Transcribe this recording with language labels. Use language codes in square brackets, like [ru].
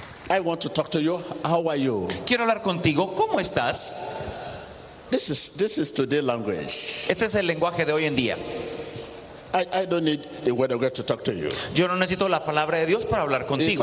[en] I want to talk to you. How are you? [es] Quiero hablar contigo. ¿Cómo estás? [en] This is today's language. [es] Este es el lenguaje de hoy en día. [en] I don't need the word of God to talk to you. [es] Yo no necesito la palabra de Dios para hablar contigo.